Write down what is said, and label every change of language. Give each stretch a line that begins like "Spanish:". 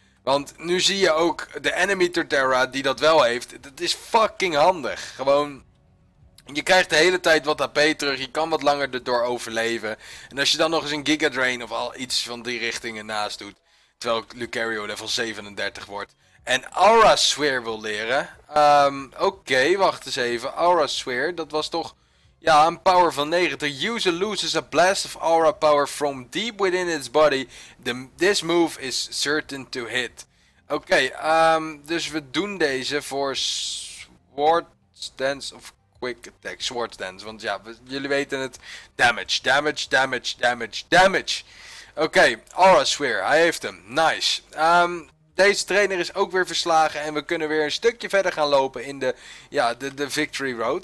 Dutch: Want nu zie je ook de enemy Torterra die dat wel heeft. Dat is fucking handig. Gewoon... je krijgt de hele tijd wat HP terug. Je kan wat langer erdoor overleven. En als je dan nog eens een Giga Drain of al iets van die richtingen naast doet. Terwijl Lucario level 37 wordt. En Aura Sphere wil leren. Oké, wacht eens even. Aura Sphere, dat was toch... ja, een power van 90.
English: The user loses a blast of aura power from deep within its body. This move is certain to hit.
Dutch: Oké, dus we doen deze voor Sword Dance of... Quick Attack, Swords Dance, want ja, jullie weten het. Damage, damage, damage, damage, damage. Oké, Aura Sphere, hij heeft hem. Nice. Deze trainer is ook weer verslagen en we kunnen weer een stukje verder gaan lopen in de, ja, de Victory Road.